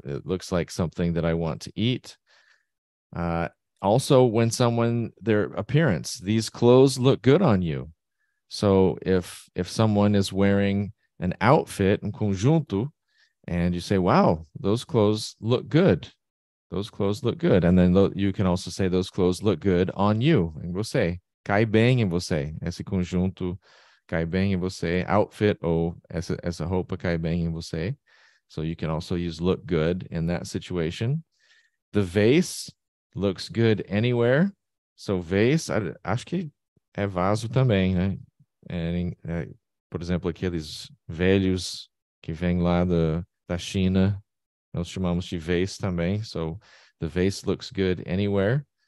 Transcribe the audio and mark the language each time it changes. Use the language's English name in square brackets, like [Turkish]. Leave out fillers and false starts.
[English] It looks like something that I want to eat. Also, when someone, their appearance, these clothes look good on you. So if someone is wearing an outfit, [Portuguese] un conjunto, [English] and you say, wow, those clothes look good. Those clothes look good. And then you can also say those clothes look good on you. And we'll say, [Portuguese] cai bem em você. Esse conjunto cai bem em você. Outfit ou essa roupa cai bem em você. [English] So you can also use look good in that situation. The vase looks good anywhere. [Portuguese] So vase, acho que é vaso também, né? Por exemplo, aqueles velhos que vêm lá da China, nós chamamos de vase também. [English] So the vase looks good anywhere.